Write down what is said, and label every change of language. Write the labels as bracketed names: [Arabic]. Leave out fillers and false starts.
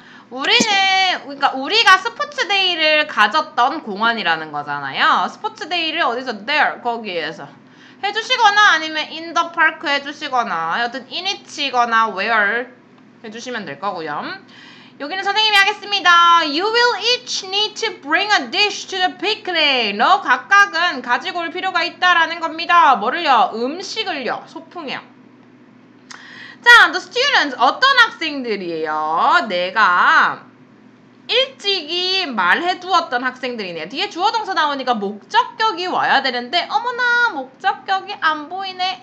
[Korean] 우리는, 그러니까 우리가 스포츠데이를 가졌던 공원이라는 거잖아요. 스포츠데이를 어디서? There, 거기에서 해주시거나 아니면 [English] in the park [Korean] 해주시거나 여튼 in이치거나 where 해주시면 될 거고요. 여기는 선생님이 하겠습니다. [English] You will each need to bring a dish to the picnic. [Korean] 너 각각은 가지고 올 필요가 있다라는 겁니다. 뭐를요? 음식을요. 소풍이요. 자, the students. 어떤 학생들이에요? 내가 일찍이 말해두었던 학생들이네요. 뒤에 주어동사 나오니까 목적격이 와야 되는데 어머나 목적격이 안 보이네.